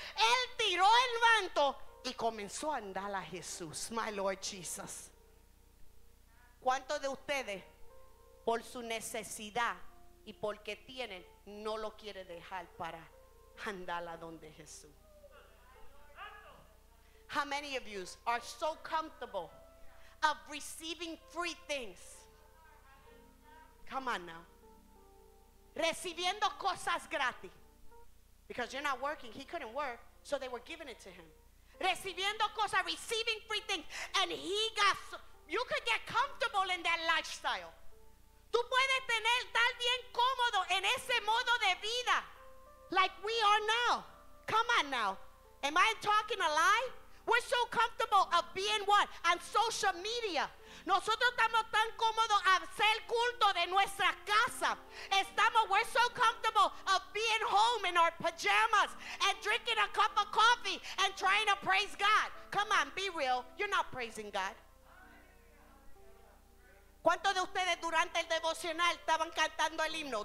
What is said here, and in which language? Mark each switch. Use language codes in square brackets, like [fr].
[es] Él tiró el manto y comenzó a andar a Jesús. [en] My Lord Jesus. [es] ¿Cuántos de ustedes, por su necesidad y porque tienen, no lo quiere dejar para andar a donde Jesús? [en] How many of you are so comfortable of receiving free things? Come on now. [es] Recibiendo cosas gratis. [en] Because you're not working, he couldn't work, so they were giving it to him. [es] Recibiendo cosas, [en] receiving free things, and he got, so, you could get comfortable in that lifestyle. [es] Tú puedes tener tal bien cómodo en ese modo de vida. [en] Like we are now. Come on now. Am I talking a lie? We're so comfortable of being what? On social media. [es] Nosotros estamos tan cómodos a hacer culto de nuestra casa. [en] We're so comfortable of being home in our pajamas and drinking a cup of coffee and trying to praise God. Come on, be real. You're not praising God. [es] ¿Cuántos de ustedes durante el devocional estaban cantando el himno?